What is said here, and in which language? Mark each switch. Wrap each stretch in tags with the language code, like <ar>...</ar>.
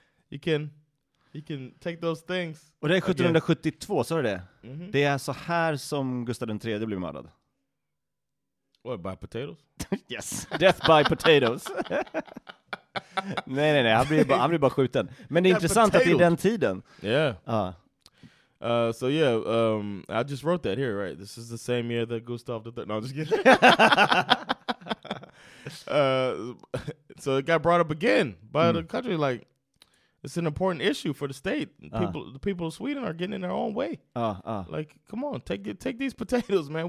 <en>You can take those things.</en> <sv>Och det är 1772, sa du det? Mm-hmm. Det är så här som Gustav den tredje blev mördad.</sv> <en>What, by potatoes? Yes, death by potatoes.</en> <sv>Nej, han blir bara skjuten. Men det är intressant att i den tiden.</sv> <en>Yeah. So I just wrote that here, right? This is the same year that Gustav the Third. No, I'm just kidding. So it got brought up again by the country. Like, it's an important issue for the state. The people of Sweden are getting in their own way. Like, come on, take these potatoes, man.</en>